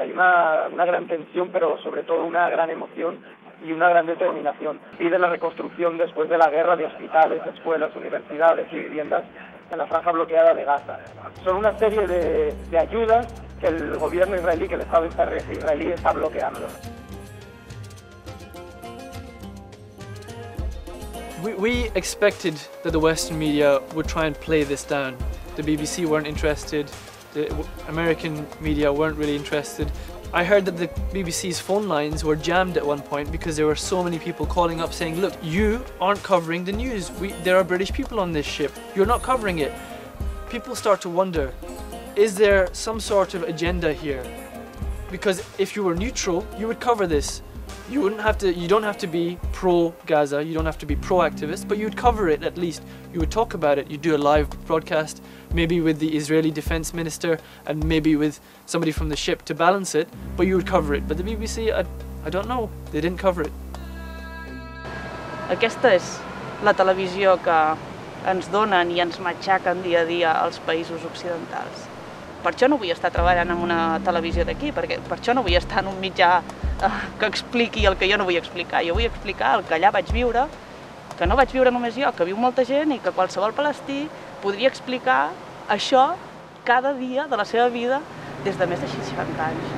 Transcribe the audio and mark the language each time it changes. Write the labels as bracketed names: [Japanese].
[Spanish] Hay una gran tensión, pero sobre todo una gran emoción y una gran determinación. Piden la reconstrucción después de la guerra de hospitales, escuelas, universidades y viviendas en la franja bloqueada de Gaza. Son una serie de ayudas que el gobierno israelí, que el Estado israelí está bloqueando. [English] We expected that the Western media would try and play this down. The BBC weren't interested, the American media weren't really interested. I heard that the BBC's phone lines were jammed at one point because there were so many people calling up saying, look, you aren't covering the news. There are British people on this ship. You're not covering it. People start to wonder, is there some sort of agenda here? Because if you were neutral, you would cover this. You don't have to be pro-Gaza, you don't have to be pro-activist, but you'd cover it at least. You would talk about it, you'd do a live broadcast, maybe with the Israeli defense minister, and maybe with somebody from the ship to balance it, but you would cover it. But the BBC, I don't know, they didn't cover it. [Catalan] Aquesta és la televisió que ens donen i ens matxaquen dia a dia als països occidentals. per això no vull estar treballant en una televisió d'aquí, perquè per això no vull estar en un mitjà que expliqui el que jo no vull explicar. Jo vull explicar el que allà vaig viure, que no vaig viure només jo, que viu molta gent i que qualsevol palestí podria explicar això cada dia de la seva vida des de més de 60 anys.